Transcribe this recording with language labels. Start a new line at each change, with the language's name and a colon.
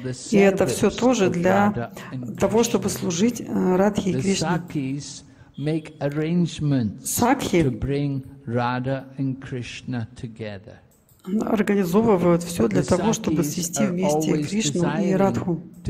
Russian: И это все тоже для того, чтобы служить Радхе и Кришне.
English: Make arrangements to bring Radha and Krishna together.
Russian: Организовывают все для того, чтобы свести вместе Кришну и Радху.